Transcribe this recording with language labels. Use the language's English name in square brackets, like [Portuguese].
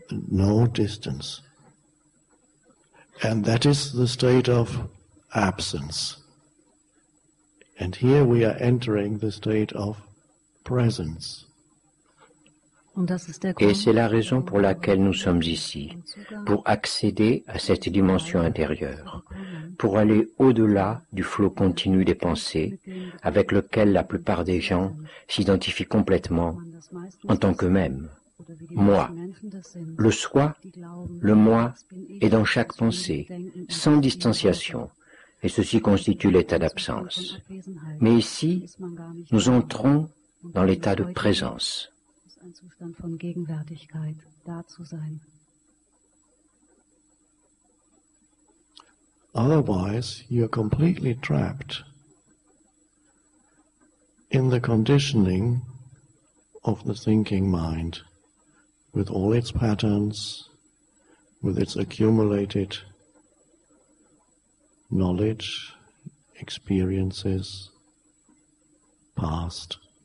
[English] No distance. And that is the state of absence. And here we are entering the state of presence. [French] Et c'est la raison pour laquelle nous sommes ici, pour accéder à cette dimension intérieure, pour aller au-delà du flot continu des pensées avec lequel la plupart des gens s'identifient complètement en tant qu'eux-mêmes. Moi, le soi, le moi est dans chaque pensée, sans distanciation, et ceci constitue l'état d'absence. Mais ici, nous entrons dans l'état de présence. [German] Ein Zustand von Gegenwärtigkeit, da zu sein. [English] Otherwise, you're completely trapped in the conditioning of the thinking mind with all its patterns, with its accumulated knowledge, experiences, past.